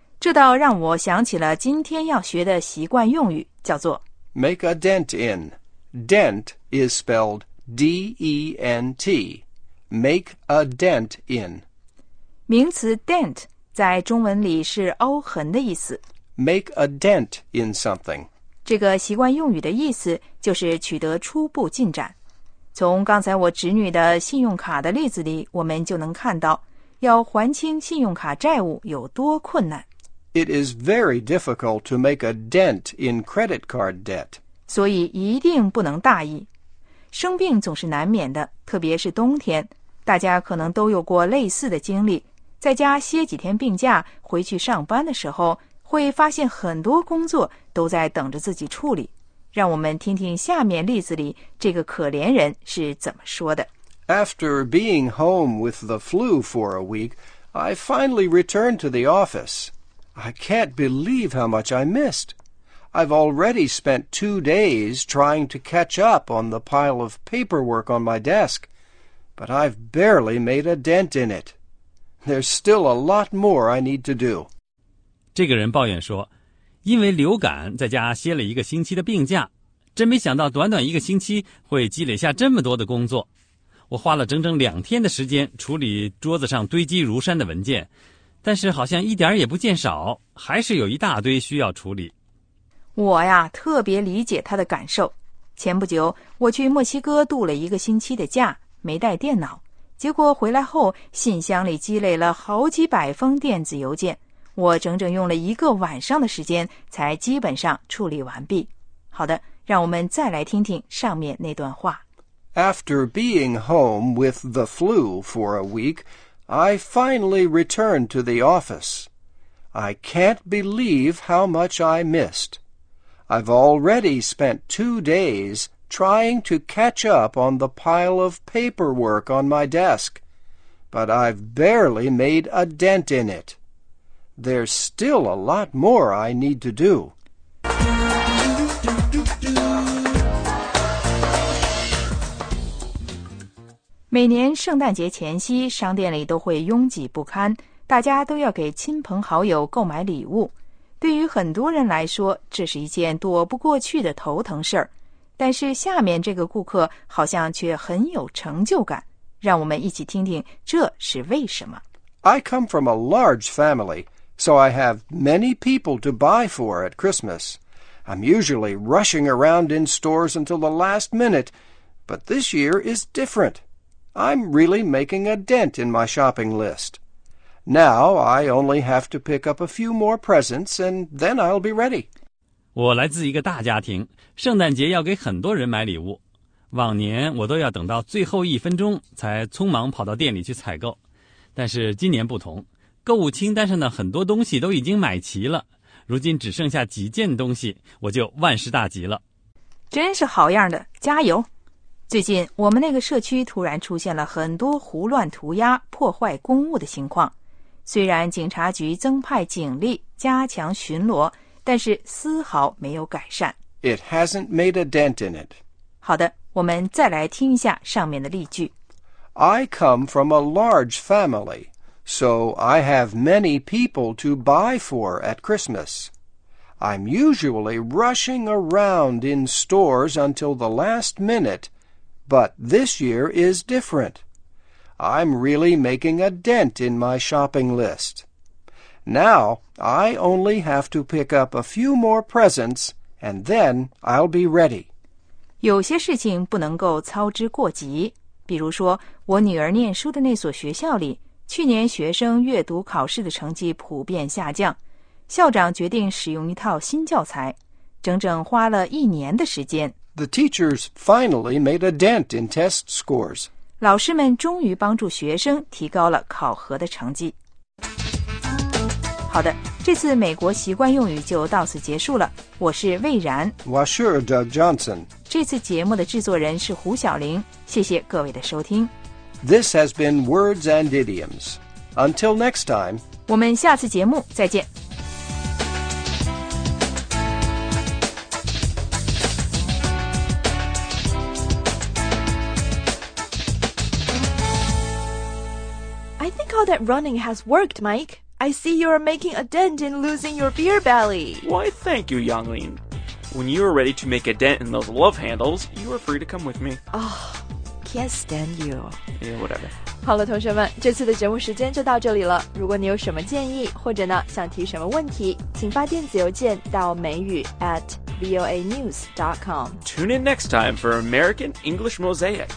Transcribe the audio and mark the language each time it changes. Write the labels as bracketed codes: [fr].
[zh] 这倒让我想起了今天要学的习惯用语，叫做 [en] Make a dent in. Dent is spelled D-E-N-T. Make a dent in. [zh] 名词 dent 在中文里是凹痕的意思。 [en] Make a dent in something. [zh] 这个习惯用语的意思就是取得初步进展。从刚才我侄女的信用卡的例子里，我们就能看到，要还清信用卡债务有多困难。 [en] It is very difficult to make a dent in credit card debt. [zh] 所以一定不能大意。生病总是难免的，特别是冬天，大家可能都有过类似的经历，在家歇几天病假，回去上班的时候会发现很多工作都在等着自己处理。让我们听听下面例子里这个可怜人是怎么说的。 [en] After being home with the flu for a week, I finally returned to the office. I can't believe how much I missed. I've already spent 2 days trying to catch up on the pile of paperwork on my desk, but I've barely made a dent in it. There's still a lot more I need to do. [zh] 这个人抱怨说，因为流感在家歇了一个星期的病假，真没想到短短一个星期会积累下这么多的工作。我花了整整2天的时间处理桌子上堆积如山的文件，但是好像一点也不见少，还是有一大堆需要处理。我呀，特别理解他的感受。前不久，我去墨西哥度了一个星期的假，没带电脑。结果回来后，信箱里积累了好几百封电子邮件，我整整用了一个晚上的时间才基本上处理完毕。好的，让我们再来听听上面那段话。 [en] After being home with the flu for a week, I finally returned to the office. I can't believe how much I missed. I've already spent 2 days trying to catch up on the pile of paperwork on my desk, but I've barely made a dent in it. There's still a lot more I need to do. [zh] 每年圣诞节前夕，商店里都会拥挤不堪，大家都要给亲朋好友购买礼物。对于很多人来说，这是一件躲不过去的头疼事儿。但是下面这个顾客好像却很有成就感，让我们一起听听这是为什么。 [en] I come from a large family, so I have many people to buy for at Christmas. I'm usually rushing around in stores until the last minute, but this year is different. I'm really making a dent in my shopping list. Now I only have to pick up a few more presents and then I'll be ready. [zh] 我来自一个大家庭，圣诞节要给很多人买礼物。往年我都要等到最后一分钟才匆忙跑到店里去采购。但是今年不同，购物清单上的很多东西都已经买齐了，如今只剩下几件东西，我就万事大吉了。真是好样的，加油。最近我们那个社区突然出现了很多胡乱涂鸦、破坏公物的情况。虽然警察局增派警力加强巡逻，但是丝毫没有改善。 [en] It hasn't made a dent in it. [zh] 好的，我们再来听一下上面的例句。 [en] I come from a large family, so I have many people to buy for at Christmas. I'm usually rushing around in stores until the last minute. But this year is different. I'm really making a dent in my shopping list. Now, I only have to pick up a few more presents, and then I'll be ready. [zh] 有些事情不能够操之过急。比如说，我女儿念书的那所学校里，去年学生阅读考试的成绩普遍下降。校长决定使用一套新教材，整整花了一年的时间。 [en] The teachers finally made a dent in test scores. [zh] 老师们终于帮助学生提高了考核的成绩。好的，这次美国习惯用语就到此结束了。我是魏然。 [en] Washer Doug Johnson. [zh] 这次节目的制作人是胡晓玲。谢谢各位的收听。 [en] This has been Words and Idioms. Until next time. [zh] 我们下次节目再见。 [en] That running has worked, Mike. I see you're making a dent in losing your beer belly. Why, thank you, Yanglin. When you're ready to make a dent in those love handles, you are free to come with me. Oh, can't stand you. Yeah, whatever. [zh] 好了，同学们，这次的节目时间就到这里了。如果你有什么建议，或者呢想提什么问题，请发电子邮件到美语@voanews.com. [en] Tune in next time for American English Mosaic.